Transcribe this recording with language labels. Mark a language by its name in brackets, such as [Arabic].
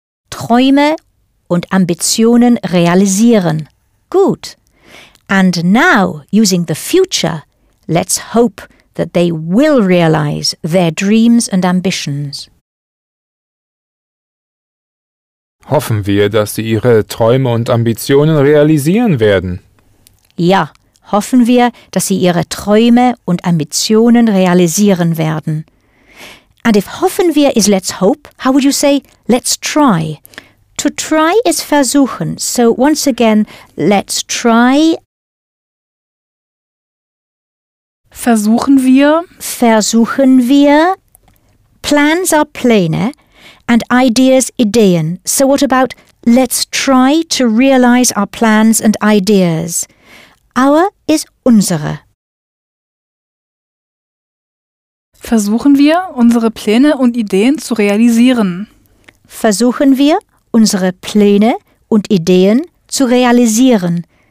[German] Träume und Ambitionen realisieren. Gut. [English] And now, using the future, let's hope that they will realize their dreams and ambitions. [German] Hoffen wir, dass sie ihre Träume und Ambitionen realisieren werden. Ja, hoffen wir, dass sie ihre Träume und Ambitionen realisieren werden. [English] And if [German] hoffen wir [English] is let's hope, how would you say let's try? To try is versuchen, so once again, let's try. [German] Versuchen wir. Versuchen wir. [English] Plans are Pläne and ideas Ideen. So what about let's try to realize our plans and ideas? Our is unsere. [German] Versuchen wir, unsere Pläne und Ideen zu realisieren. Versuchen wir, unsere Pläne und Ideen zu realisieren.